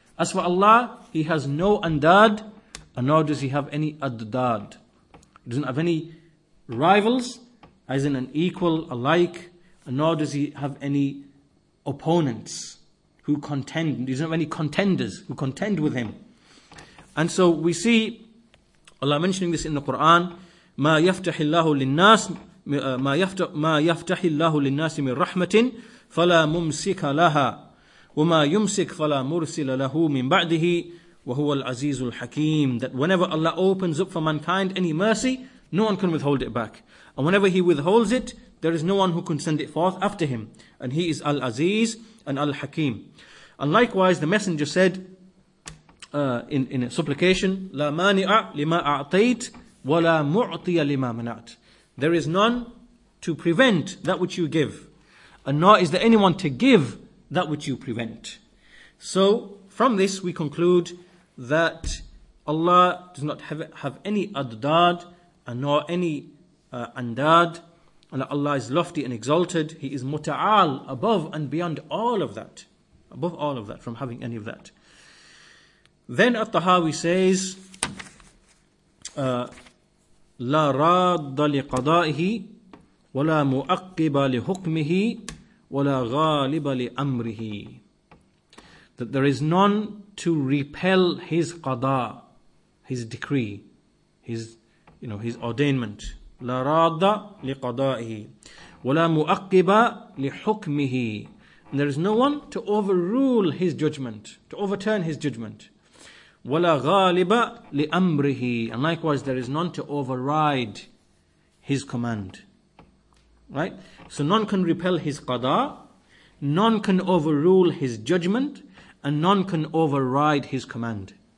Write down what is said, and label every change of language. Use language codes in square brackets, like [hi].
[en] As for Allah, he has no andad, and nor does he have any addad. He doesn't have any rivals, as in an equal, alike, and nor does he have any opponents who contend. He doesn't have any contenders who contend with him. And so we see Allah mentioning this in the Quran, [ar] مَا يَفْتَحِ اللَّهُ لِلنَّاسِ مَا يَفْتَحِ اللَّهُ لِلنَّاسِ مِنْ رَحْمَةٍ فَلَا مُمْسِكَ لَهَا وَمَا يُمْسِكْ فَلَا مُرْسِلَ لَهُ مِنْ بَعْدِهِ وَهُوَ الْعَزِيزُ الْحَكِيمُ. [en] That whenever Allah opens up for mankind any mercy, no one can withhold it back. And whenever he withholds it, there is no one who can send it forth after him. And he is Al-Aziz and Al-Hakim. And likewise, the messenger said in a supplication, [ar] لَا مَانِعَ لِمَا أَعْطَيْتْ وَلَا مُعْطِيَ لِمَا مَنَعْتْ. [en] There is none to prevent that which you give. And nor is there anyone to give that which you prevent. So from this we conclude that Allah does not have any addad and nor any andad. And that Allah is lofty and exalted. He is muta'al, above and beyond all of that. Above all of that, from having any of that. Then At-Tahawi says, [ar] لا راد لقضائه ولا مؤقب لحكمه ولا غالب لأمره. [en] That there is none to repel his qada, his decree, his ordainment. [ar] لا راد لقضائه ولا مؤقب لحكمه. [en] And there is no one to overrule his judgment, to overturn his judgment. [ar] وَلَا غَالِبَ لِأَمْرِهِ. [en] And likewise, there is none to override his command. Right? So none can repel his qada, none can overrule his judgment, and none can override his command.